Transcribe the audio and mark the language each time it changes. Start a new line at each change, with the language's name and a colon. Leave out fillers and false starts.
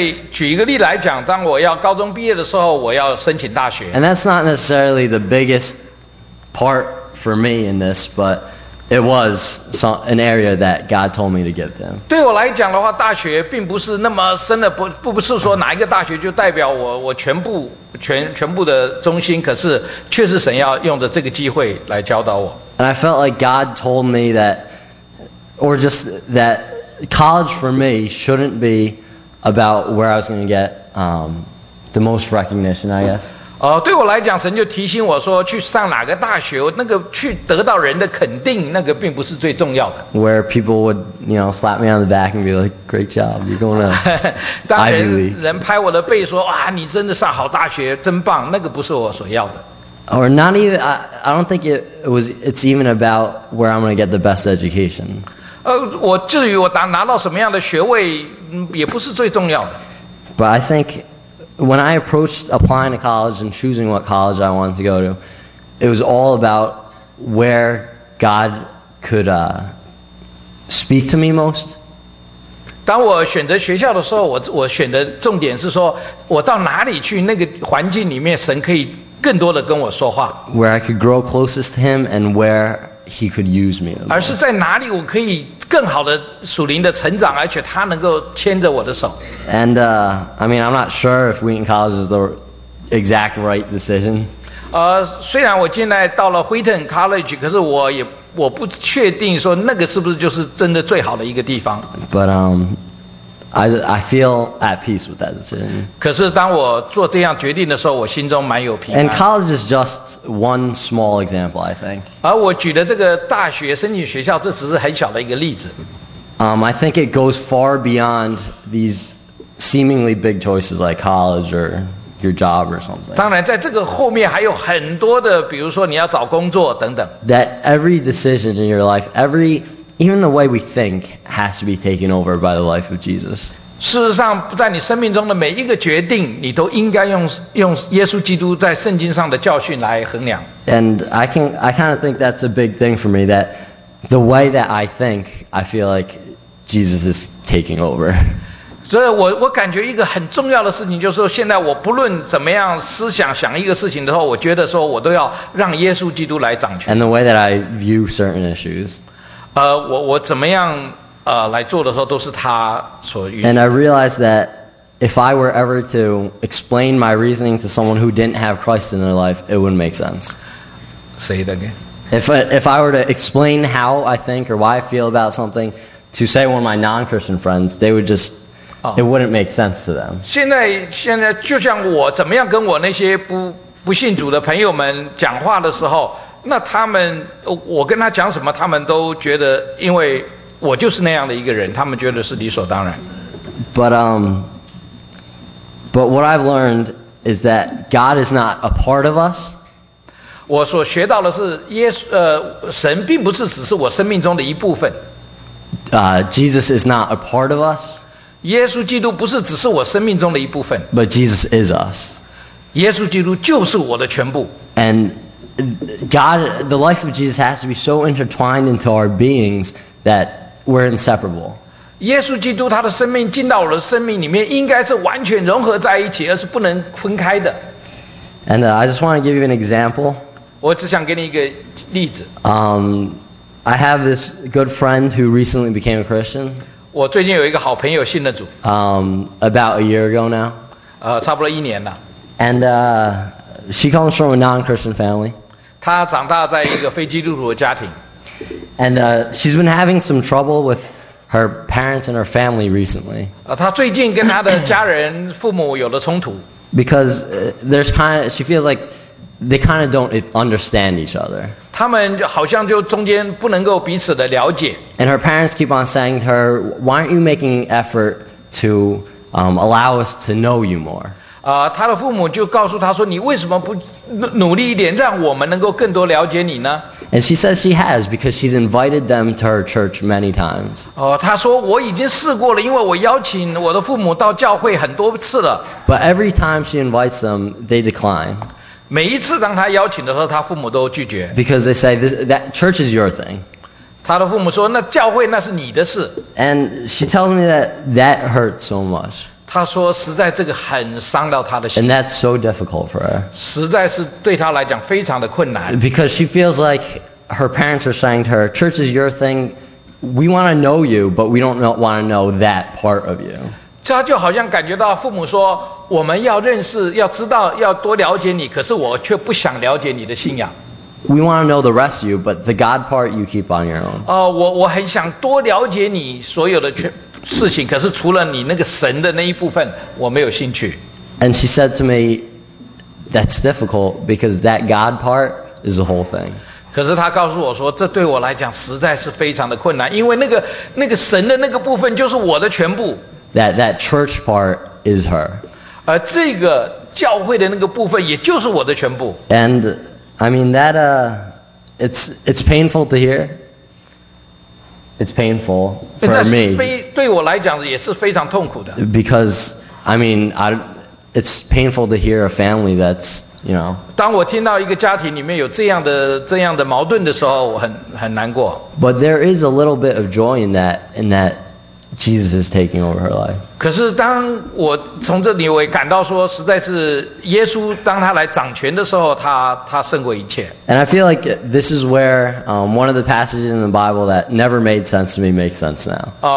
Chinese: 举一个例来讲，当我要高中毕业的时候，我要申请大学。
English: And that's not necessarily the biggest part for me in this, but it was an area that God told me to give them.
Chinese: 对我来讲的话，大学并不是那么深的，不是说哪一个大学就代表我全部的中心，可是确实神要用着这个机会来教导我。
English: And I felt like God told me that, or just that. College for me shouldn't be about where I was going to get the most recognition, I guess.
Chinese: 对我来讲，神就提醒我说，去上哪个大学，那个去得到人的肯定，那个并不是最重要的。
English: Where people would, you know, slap me on the back and be like, "Great job, you're going to Ivy League."
Chinese: 当人拍我的背说，哇，你真的上好大学，真棒，那个不是我所要的。
English: Or not even. I don't think it was. It's even about where I'm going to get the best education.
Chinese: 我至于我拿到什么样的学位，也不是最重要的。
English: But I think when I approached applying to college and choosing what college I wanted to go to, it was all about where God could speak to me most.
Chinese: 当我选择学校的时候，我选的重点是说，我到哪里去，那个环境里面，神可以更多的跟我说话。
English: Where I could grow closest to Him and where. He could use me.
Chinese: 而是在哪里我可以更好的属灵的成长，而且他能够牵着我的手。
English: And I mean, I'm not sure if Wheaton College is the exact right decision.
Chinese: 虽然我现在到了 Wheaton College, 可是我不确定说那个是不是就是真的最好的一个地方。
English: But I feel at peace with that decision.
Chinese: 可是当我做这样决定的时候，我心中蛮有平安。
English: And college is just one small example, I think.
Chinese: 而我举的这个大学申请学校，这只是很小的一个例子。
English: I think it goes far beyond these seemingly big choices like college or your job or something.
Chinese: 当然，在这个后面还有很多的，比如说你要找工作等等。
English: That every decision in your life, Even the way we think has to be taken over by the life of Jesus.
Chinese: 事实上，在你生命中的每一个决定，你都应该用耶稣基督在圣经上的教训来衡量。
English: And I kind of think that's a big thing for me, that the way that I think, I feel like Jesus is taking over.
Chinese: 所以我感觉一个很重要的事情，就是说现在我不论怎么样思想想一个事情的时候，我觉得说我都要让耶稣基督来掌权。
English: And the way that I view certain issues.
Chinese: 我怎么样来做的时候都是他所预。
English: And I realized that if I were ever to explain my reasoning to someone who didn't have Christ in their life, it wouldn't make sense. Say it again. If I were to explain how I think or why I feel about something to say one of my non-Christian friends, they would just、oh. it wouldn't make sense to them.
Chinese: 现在就像我怎么样跟我那些不信主的朋友们讲话的时候。那他们，我跟他讲什么，他们都觉得，因为我就是那样的一个人，他们觉得是理所当然。
English: But what I've learned is that God is not a part of us.
Chinese: 我所学到的是神并不是只是我生命中的一部分。
English: Jesus is not a part of us.
Chinese: 耶稣基督不是只是我生命中的一部分。
English: But Jesus is us.
Chinese: 耶稣基督就是我的全部。
English: God, the life of Jesus has to be so intertwined into our beings that we're inseparable.
Chinese: 耶稣基督他的生命进到我的生命里面，应该是完全融合在一起，而是不能分开的。
English: And I just want to give you an example.
Chinese: 我只想给你一个例子。
English: I have this good friend who recently became a Christian.
Chinese: 我最近有一个好朋友信了主。
English: About a year ago now.
Chinese: 差不多一年了。
English: And she comes from a non-Christian family.
Chinese: 她长大在一个非基督徒的家庭。
English: And she's been having some trouble with her parents and her family recently.
Chinese: 她最近跟她的家人父母有了冲突。
English: Because she feels like they kind of don't understand each other.
Chinese: 他们好像就中间不能够彼此的了解。
English: And her parents keep on saying to her, "Why aren't you making effort to allow us to know you more?"
Chinese: 她的父母就告诉她说，你为什么不努力一点，让我们能够更多了解你呢？
English: And she says she has because she's invited them to her church many times.
Chinese: 她说我已经试过了，因为我邀请我的父母到教会很多次了。
English: But every time she invites them, they decline.
Chinese: 每一次当她邀请的时候，她父母都拒绝。
English: Because they say that church is your thing.
Chinese: 她的父母说，那教会那是你的事。
English: And she tells me that that hurts so much.
Chinese: 她说实在这个很伤到她的心。
English: And that's so difficult for her.
Chinese: 实在是对她来讲非常的困难。
English: Because she feels like her parents are saying to her, church is your thing. We want to know you, but we don't want to know that part of you.
Chinese: 他就好像感觉到父母说我们要认识要知道要多了解你可是我却不想了解你的信仰
English: We want to know the rest of you but the God part you keep on your own
Chinese: 我很想多了解你所有的事情可是除了你那个神的那一部分我没有兴趣
English: And she said to me that's difficult because that God part is the whole thing
Chinese: 可是他告诉我说这对我来讲实在是非常的困难因为那个神的那个部分就是我的全部
English: That church part is her.
Chinese: 而这个教会的那个部分也就是我的全部。
English: And I mean that it's painful to hear. It's painful for me.
Chinese: 对我来讲也是非常痛苦的。
English: Because I mean, it's painful to hear a family that's, you know.
Chinese: 当我听到一个家庭里面有这样的矛盾的时候，我很难过。
English: But there is a little bit of joy in that. Jesus is taking over her life.
Chinese: 可是当我从这里我也感到说，实在是耶稣当他来掌权的时候，他胜过一切。
English: And I feel like this is where one of the passages in the Bible that never made sense to me makes sense now.